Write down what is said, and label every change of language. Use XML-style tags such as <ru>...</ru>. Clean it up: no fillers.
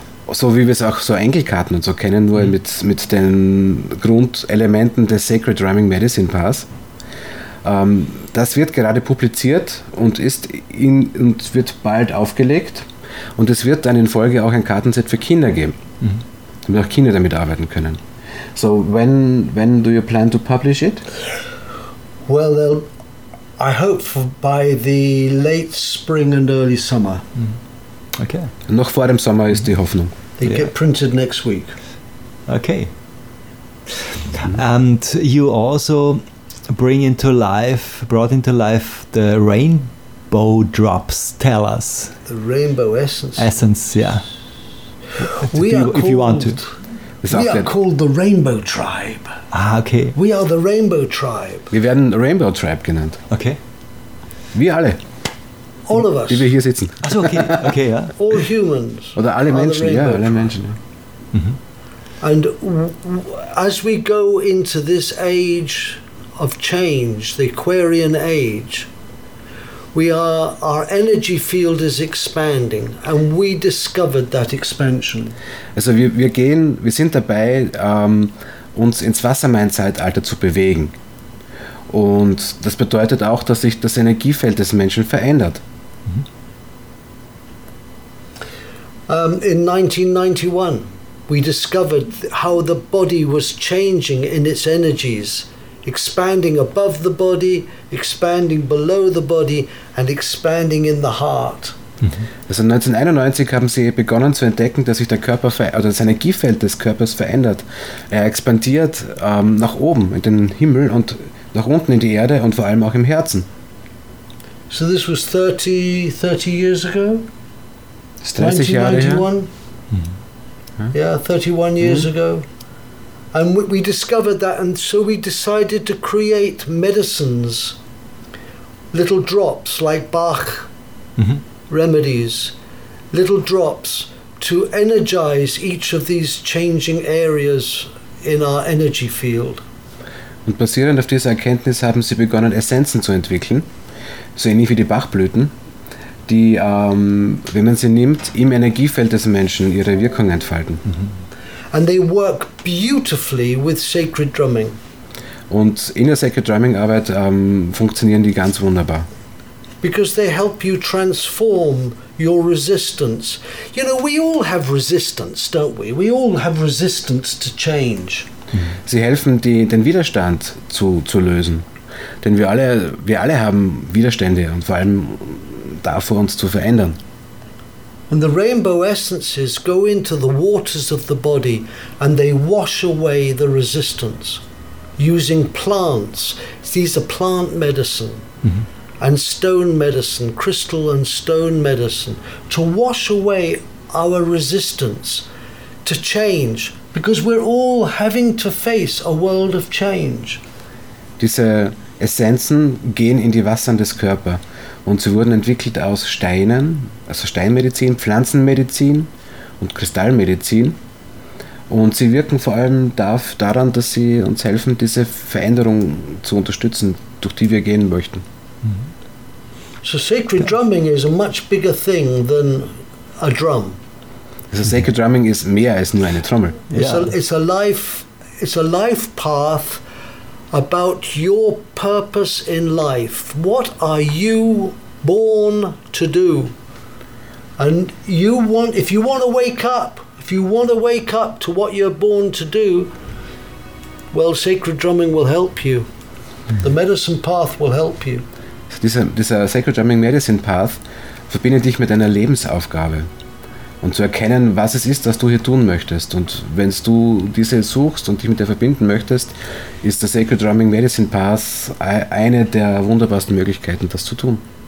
<de>So wie wir es auch so Enkelkarten und so kennen, nur mit den Grundelementen des Sacred Drumming Medicine Pass. Das wird gerade publiziert und wird bald aufgelegt. Und es wird dann in Folge auch ein Kartenset für Kinder geben, damit auch Kinder damit arbeiten können.</de> <en>So, when do you plan to publish it? Well, I hope by the late spring and early summer. Okay.</en> <de>Noch vor dem Sommer ist die Hoffnung.</de> <en>They get printed next week. Okay. And you also brought into life the rainbow drops. Tell us. The rainbow essence. Essence, yeah. If you want to. We are called the Rainbow Tribe. Ah, okay. We are the Rainbow Tribe.</en> <de>Wir werden Rainbow Tribe genannt.</de> <en>Okay.</en> <de>Wir alle.</de> <en>All of us.</en> <de>Die wir hier sitzen. Also okay, ja.</de> <en>All humans.</en> <de>Oder alle Menschen, ja.</de> <en>And as we go into this age of change, the Aquarian age, our energy field is expanding, and we discovered that expansion.</en> <de>Also wir sind dabei, uns ins Wassermann-Zeitalter zu bewegen. Und das bedeutet auch, dass sich das Energiefeld des Menschen verändert.</de> <en>In 1991, we discovered how the body was changing in its energies, expanding above the body, expanding below the body, and expanding in the heart.</en> <de>Also 1991 haben sie begonnen zu entdecken, dass sich der Körper oder das Energiefeld des Körpers verändert. Er expandiert nach oben in den Himmel und nach unten in die Erde und vor allem auch im Herzen.</de> <en>So this was 30 years ago?</en> <de>30 Jahre her.</de> <en>Yeah, 31 years ago. And we discovered that, and so we decided to create medicines, little drops like Bach remedies, little drops to energize each of these changing areas in our energy field.</en> <de>Und basierend auf dieser Erkenntnis haben sie begonnen, Essenzen zu entwickeln, so ähnlich wie die Bachblüten, die, wenn man sie nimmt, im Energiefeld des Menschen ihre Wirkung entfalten.</de> <en>And they work beautifully with sacred drumming.</en> <de>Und in der Sacred Drumming Arbeit funktionieren die ganz wunderbar.</de> <en>Because they help you transform your resistance. You know, we all have resistance, don't we? We all have resistance to change.</en> <de>Sie helfen, den Widerstand zu lösen. Denn wir alle haben Widerstände und vor allem davor, uns zu verändern.</de> <en>And the rainbow essences go into the waters of the body and they wash away the resistance using plants. These are plant medicine and stone medicine, crystal and stone medicine, to wash away our resistance to change, because we're all having to face a world of change.</en> <de>Diese Essenzen gehen in die Wassern des Körpers. Und sie wurden entwickelt aus Steinen, also Steinmedizin, Pflanzenmedizin und Kristallmedizin. Und sie wirken vor allem daran, dass sie uns helfen, diese Veränderung zu unterstützen, durch die wir gehen möchten.</de> <en>So sacred drumming is a much bigger thing than a drum.</en> <de>Also sacred drumming ist mehr als nur eine Trommel.</de> <en>It's a life path about your purpose in life. What are you born to do? And if you want to wake up to what you're born to do, well, sacred drumming will help you. The medicine path will help you.</en> <de>Dieser sacred drumming medicine path verbindet dich mit deiner Lebensaufgabe und zu erkennen, was es ist, was du hier tun möchtest. Und wenn du diese suchst und dich mit der verbinden möchtest, ist der Sacred Drumming Medicine Path eine der wunderbarsten Möglichkeiten, das zu tun.</de>